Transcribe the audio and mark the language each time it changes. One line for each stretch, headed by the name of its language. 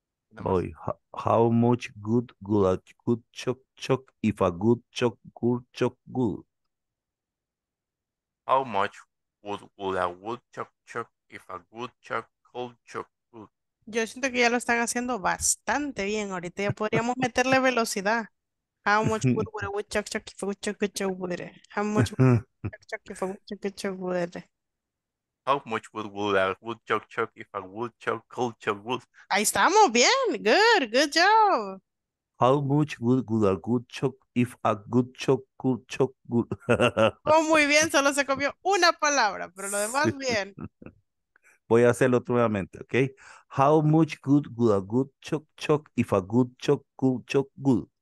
English: Boy, how much good would a good chuck chuck if a good chuck could chuck good? How much wood would a wood chuck chuck if a good chuck could chuck good?
Spanish: Yo siento que ya lo están haciendo bastante bien. Ahorita ya podríamos meterle velocidad.
English: How much wood would a wood chuck chuck if a wood chuck could chuck wood? How much wood would a chuck chuck if a wood How much wood would a wood chuck chuck if a wood chuck could chuck wood?
Spanish: Ahí estamos bien.
English: Good job. How much wood would a good chuck if a good chuck could chuck wood?
Spanish: Oh, muy bien, solo se comió una palabra, pero lo demás bien. Voy a hacerlo nuevamente, ¿ok?
English: How much good would a good chuck chuck if a good chuck could chuck wood?